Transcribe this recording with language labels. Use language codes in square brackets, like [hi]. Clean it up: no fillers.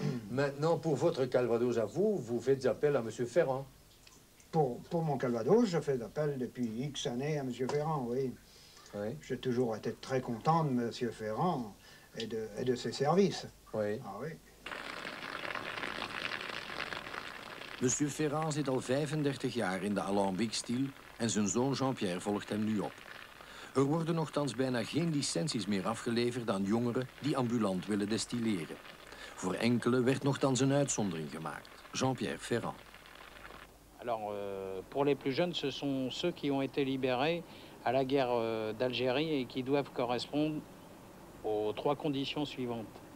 [fr] Maintenant, pour votre calvados à vous, vous faites appel à M. Ferrand? Pour mon calvados, je fais appel depuis X années à M. Ferrand, oui. Oui. J'ai toujours été très content de M. Ferrand et de ses services. Oui. Ah oui. M. [nl] Ferrand zit al 35 jaar in de alambic-stijl en zijn zoon Jean-Pierre volgt hem nu op. Er worden nochtans bijna geen licenties meer afgeleverd aan jongeren die ambulant willen destilleren. Voor enkele werd nochtans een uitzondering gemaakt, Jean-Pierre Ferrand. [fr] Alors, pour les plus jeunes, ce sont ceux qui ont été libérés à la guerre d'Algérie et qui doivent correspondre aux 3 conditions suivantes.